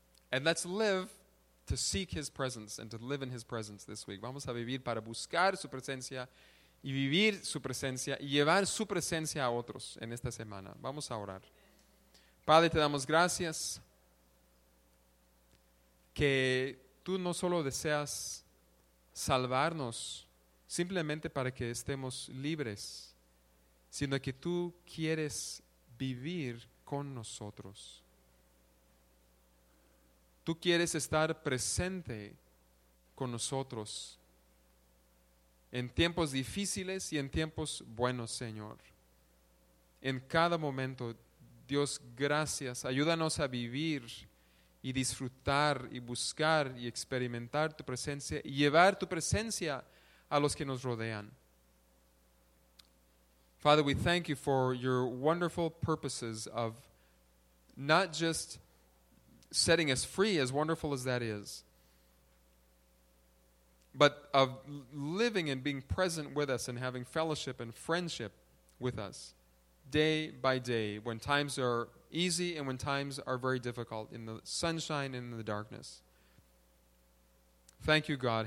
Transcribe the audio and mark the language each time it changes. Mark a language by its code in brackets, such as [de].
[en] And let's live to seek his presence and to live in his presence this week. [es] Vamos a vivir para buscar su presencia y vivir su presencia y llevar su presencia a otros en esta semana. Vamos a orar. Padre, te damos gracias que tú no solo deseas salvarnos simplemente para que estemos libres, sino que tú quieres vivir con nosotros. Tú quieres estar presente con nosotros en tiempos difíciles y en tiempos buenos, Señor. En cada momento, Dios, gracias. Ayúdanos a vivir y disfrutar y buscar y experimentar tu presencia y llevar tu presencia a los que nos rodean. [en] Father, we thank you for your wonderful purposes of not just setting us free, as wonderful as that is, but of living and being present with us and having fellowship and friendship with us day by day, when times are easy and when times are very difficult, in the sunshine and in the darkness. Thank you, God.